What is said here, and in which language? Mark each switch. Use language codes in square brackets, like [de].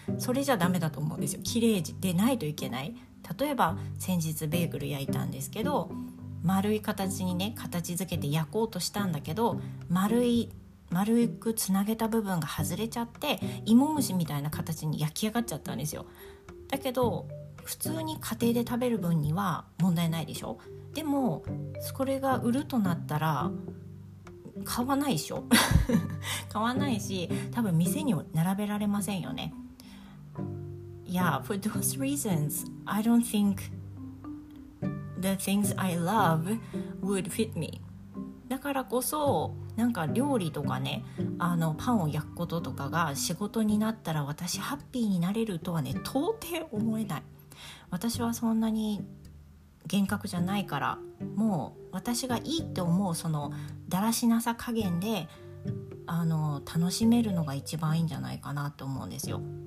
[ja] それじゃダメだと思うんですよ。綺麗でないといけない。例えば先日ベーグル焼いたんですけど、丸い形にね形付けて焼こうとしたんだけど、丸くつなげた部分が外れちゃって芋虫みたいな形に焼き上がっちゃったんですよ。だけど普通に家庭で食べる分には問題ないでしょ。でもそれが売るとなったら買わないでしょ買わないし多分店にも並べられませんよね。 [en] Yeah, for those reasons I don't think the things I love would fit me。 [ja] だからこそなんか料理とかね、あのパンを焼くこととかが仕事になったら私ハッピーになれるとはね到底思えない。私はそんなに厳格じゃないから、もう私がいいって思うそのだらしなさ加減で楽しめるのが一番いいんじゃないかなと思うんですよ。